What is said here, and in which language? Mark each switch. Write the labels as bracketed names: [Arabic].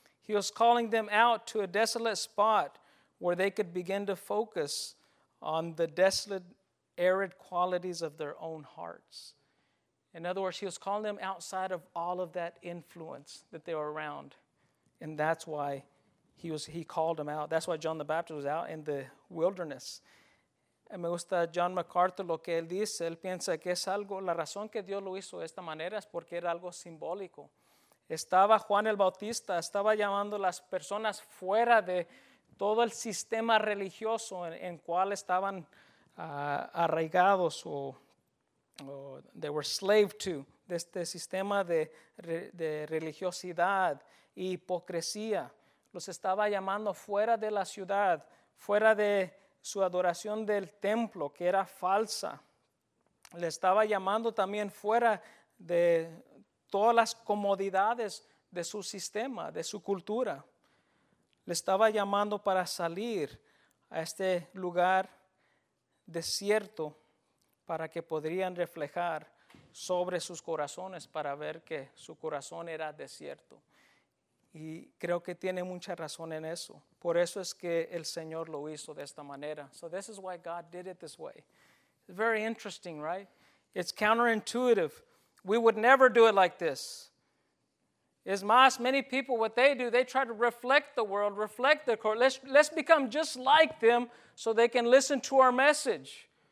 [English] He was calling them out to a desolate spot where they could begin to focus on the desolate, arid qualities of their own hearts. In other words, he was calling them outside of all of that influence that they were around. And that's why he called them out. That's why John the Baptist was out in the wilderness. [Spanish] Me gusta John MacArthur lo que él dice. Él piensa que es algo, la razón que Dios lo hizo de esta manera es porque era algo simbólico. Estaba Juan el Bautista, estaba llamando a las personas fuera de todo el sistema religioso en cual estaban arraigados o [English] they were slave to, [Spanish] de este sistema de religiosidad e hipocresía. Los estaba llamando fuera de la ciudad, fuera de su adoración del templo, que era falsa. Le estaba llamando también fuera de todas las comodidades de su sistema, de su cultura. Le estaba llamando para salir a este lugar desierto para que podrían reflejar sobre sus corazones, para ver que su corazón era desierto. Y creo que tiene mucha razón en eso. Por eso es que el Señor lo hizo de esta manera. [English] So this is why God did it this way. Very interesting, right? It's counterintuitive. We would never do it like this. [Spanish] Es más, [English] many people, what they do, they try to reflect the world, reflect the court. Let's become just like them so they can listen to our message.